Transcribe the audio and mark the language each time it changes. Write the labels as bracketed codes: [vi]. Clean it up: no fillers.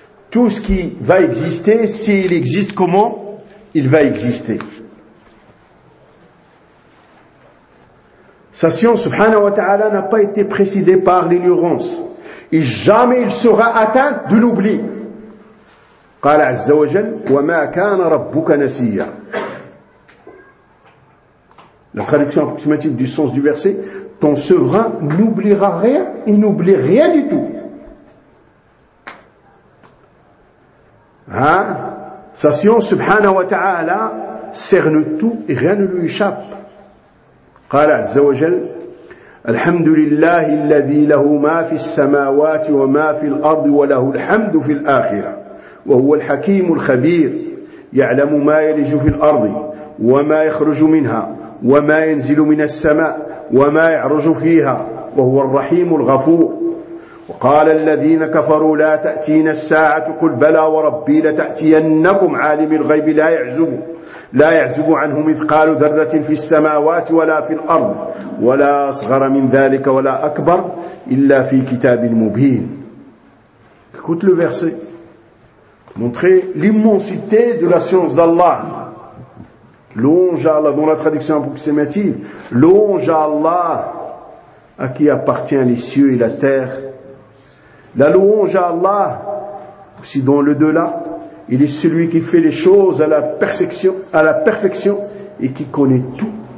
[fr] Tout ce qui va exister, s'il existe, comment il va exister. Sa science, subhanahu wa ta'ala, n'a pas été précédée par l'ignorance. Et jamais il sera atteint de l'oubli. [ar] قال عز وجل وما كان ربك نسيا. [fr] La traduction approximative du sens du verset, ton souverain n'oubliera rien, il n'oublie rien du tout. Hein? Sa science, subhanahu wa ta'ala, cerne tout et rien ne lui échappe. [ar] قال عز وجل الحمد لله الذي له ما في السماوات وما في الأرض وله الحمد في الآخرة وهو الحكيم الخبير يعلم ما يلج في الأرض وما يخرج منها وما ينزل من السماء وما يعرج فيها وهو الرحيم الغفور وقال الذين كفروا لا تأتين الساعة قل بلى وربي لتأتينكم عالم الغيب لا يعزب عنه مثقال ذرة في السماوات ولا في الأرض ولا أصغر من ذلك ولا أكبر إلا في كتاب مبين. [fr] Écoute le verset. Montrez l'immensité de la science d'Allah. Louange à Allah, dans la traduction approximative, louange à Allah à qui appartient les cieux et la terre. La louange à Allah, aussi dans le delà, il est celui qui fait les choses à la perfection et qui connaît tout.